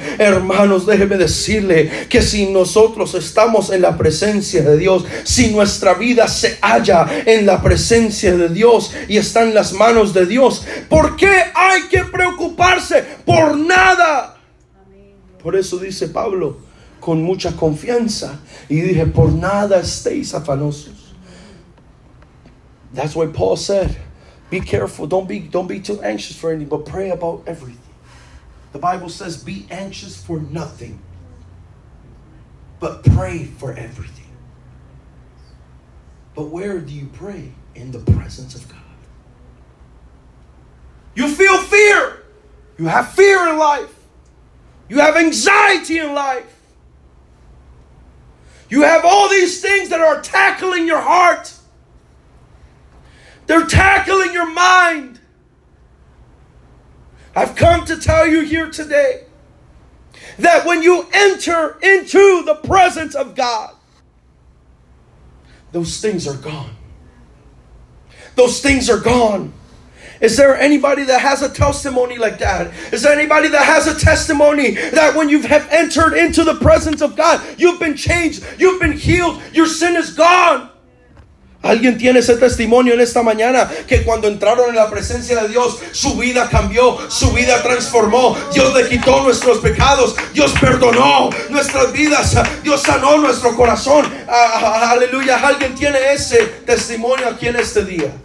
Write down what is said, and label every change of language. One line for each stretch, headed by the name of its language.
Spanish: Hermanos, déjeme decirle que si nosotros estamos en la presencia de Dios, si nuestra vida se halla en la presencia de Dios y está en las manos de Dios, ¿por qué hay que preocuparse por nada? Por eso dice Pablo con mucha confianza y dije, por nada estéis afanosos.
English: That's what Paul said. Be careful. Don't be too anxious for anything, but pray about everything. The Bible says, be anxious for nothing, but pray for everything. But where do you pray? In the presence of God. You feel fear. You have fear in life. You have anxiety in life. You have all these things that are tackling your heart. They're tackling your mind. I've come to tell you here today that when you enter into the presence of God, those things are gone. Those things are gone. Is there anybody that has a testimony like that? Is there anybody that has a testimony that when you have entered into the presence of God, you've been changed, you've been healed, your sin is gone?
Spanish: ¿Alguien tiene ese testimonio en esta mañana? Que cuando entraron en la presencia de Dios, su vida cambió, su vida transformó. Dios le quitó nuestros pecados. Dios perdonó nuestras vidas. Dios sanó nuestro corazón. Aleluya. ¿Alguien tiene ese testimonio aquí en este día?